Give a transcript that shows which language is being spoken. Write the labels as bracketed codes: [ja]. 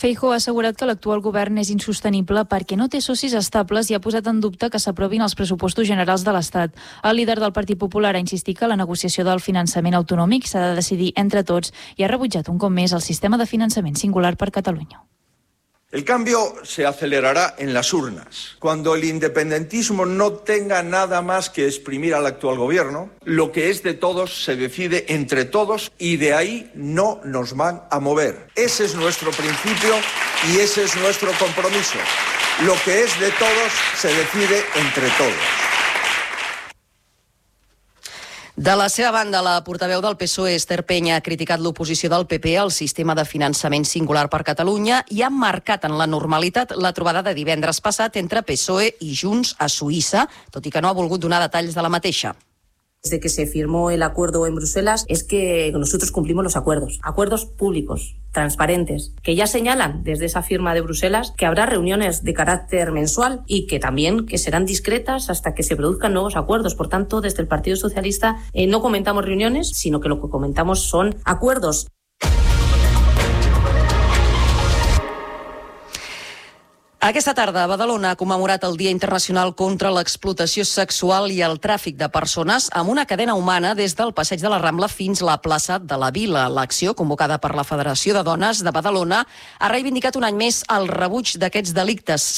[ca] Feijóo ha assegurat que l'actual govern és insostenible perquè no té socis estables i ha posat en dubte que s'aprovin els pressupostos generals de l'Estat. El líder del Partit Popular ha insistit que la negociació del finançament autonòmic s'ha de decidir entre tots i ha rebutjat un cop més el sistema de finançament singular per Catalunya. [es] El cambio se acelerará en las urnas. Cuando el independentismo no tenga nada más que exprimir al actual gobierno, lo que es de todos se decide entre todos y de ahí no nos van a mover. Ese es nuestro principio y ese es nuestro compromiso. Lo que es de todos se decide entre todos. [ca] De la seva banda, la portaveu del PSOE, Esther Peña, ha criticat l'oposició del PP al sistema de finançament singular per Catalunya i ha marcat en la normalitat la trobada de divendres passat entre PSOE i Junts a Suïssa, tot i que no ha volgut donar detalls de la mateixa. [es] Desde que se firmó el acuerdo en Bruselas es que nosotros cumplimos los acuerdos, acuerdos públicos, transparentes, que ya señalan desde esa firma de Bruselas que habrá reuniones de carácter mensual y que también que serán discretas hasta que se produzcan nuevos acuerdos. Por tanto, desde el Partido Socialista no comentamos reuniones, sino que lo que comentamos son acuerdos. [ca] Aquesta tarda, Badalona ha commemorat el Dia Internacional contra l'Explotació Sexual i el Tràfic de Persones amb una cadena humana des del Passeig de la Rambla fins a la plaça de la Vila. L'acció, convocada per la Federació de Dones de Badalona, ha reivindicat un any més el rebuig d'aquests delictes.